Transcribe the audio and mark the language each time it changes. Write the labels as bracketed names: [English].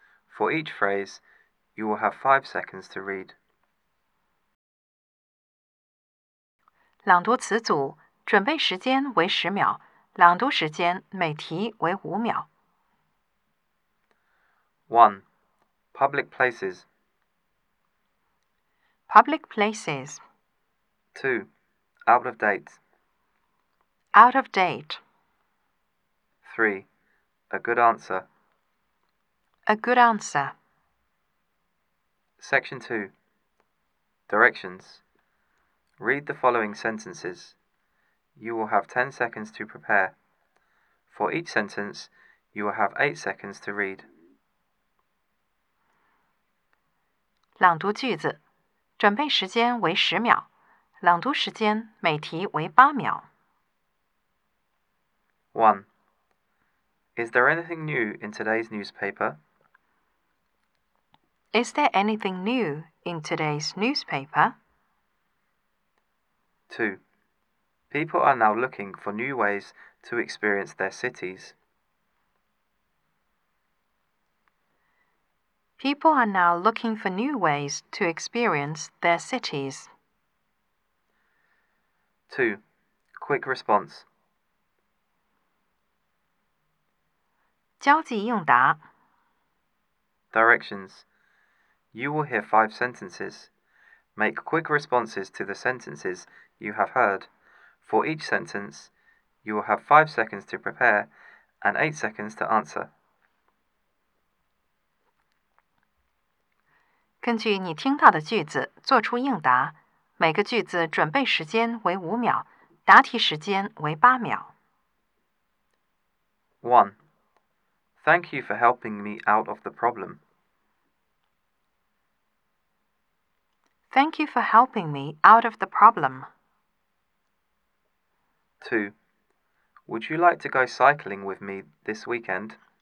[English] For each phrase, you will have 5 seconds to read. [Chinese] 朗读词组，准备时间为10秒，朗读时间每题为5秒。 [English] 1. Public places. Public places. 2. Out of date. Out of date. 3. A good answer. A good answer. Section 2. Directions. Read the following sentences. You will have 10 seconds to prepare. For each sentence, you will have 8 seconds to read. [Chinese] 朗读句子，准备时间为10秒，朗读时间每题为8秒。 [English] 1. Is there anything new in today's newspaper? Is there anything new in today's newspaper? 2. People are now looking for new ways to experience their cities. People are now looking for new ways to experience their cities. 2. Quick response. [Chinese] 交际应答。 [English] Directions. You will hear 5 sentences. Make quick responses to the sentences you have heard. For each sentence, you will have 5 seconds to prepare and 8 seconds to answer. [Chinese] 根据你听到的句子做出应答，每个句子准备时间为5秒，答题时间为8秒。 [English] 1. Thank you for helping me out of the problem. Thank you for helping me out of the problem. 2. Would you like to go cycling with me this weekend?